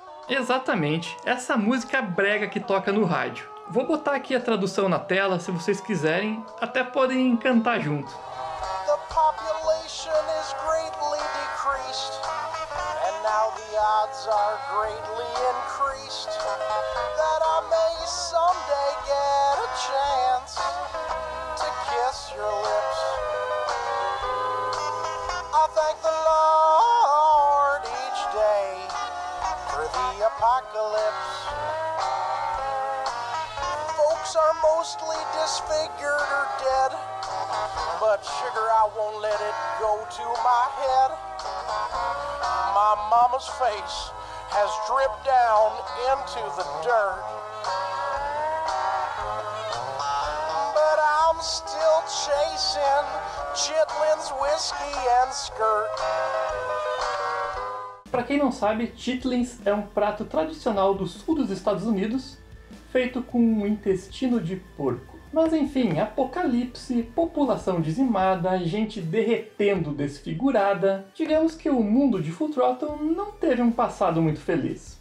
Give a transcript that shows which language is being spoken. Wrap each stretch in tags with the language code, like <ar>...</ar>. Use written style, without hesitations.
<pt>Exatamente, essa música brega que toca no rádio. Vou botar aqui a tradução na tela, se vocês quiserem, até podem cantar junto.</pt> <en>The population is greatly decreased. And now the odds are greatly increased. That I may someday get a chance to kiss your lips. I thank the Lord each day for the apocalypse. Folks are mostly disfigured or dead. But sugar, I won't let it go to my head. My mama's face has dripped down into the dirt. But I'm still chasing Chitlin's whiskey and skirt.</en> <pt>Pra quem não sabe, Chitlin's é um prato tradicional do sul dos Estados Unidos, feito com um intestino de porco. Mas enfim, apocalipse, população dizimada, gente derretendo desfigurada... Digamos que o mundo de Full Throttle não teve um passado muito feliz.</pt>